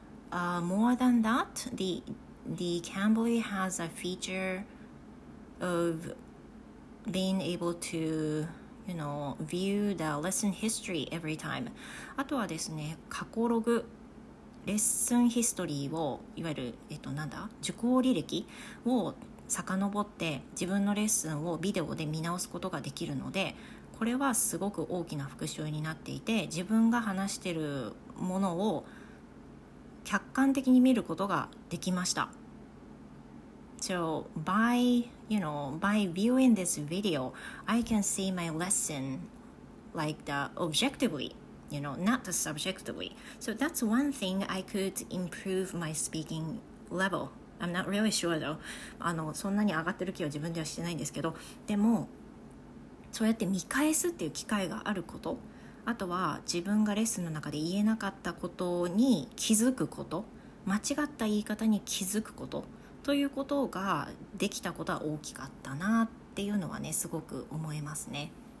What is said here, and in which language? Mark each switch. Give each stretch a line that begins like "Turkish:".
English: And、more than that, the Cambly has a feature of being able toYou know, view the lesson history every time.
Japanese: あとはですね、過去ログ、レッスンヒストリーを、いわゆる、なんだ、受講履歴を遡って、自分のレッスンをビデオで見直すことができるので、これはすごく大きな復習になっていて、自分が話しているものを客観的に見ることができました。
English: So by viewing this video, I can see my lesson like the objectively, you know, not the subjectively. So that's one thing I could improve my speaking level. I'm not really sure though.
Japanese: そんなに上がってる気は自分ではしてないんですけど、でもそうやって見返すっていう機会があること、あとは自分がレッスンの中で言えなかったことに気づくこと、間違った言い方に気づくこと、ということができたことは大きかったなっていうのはね、すごく思えますね。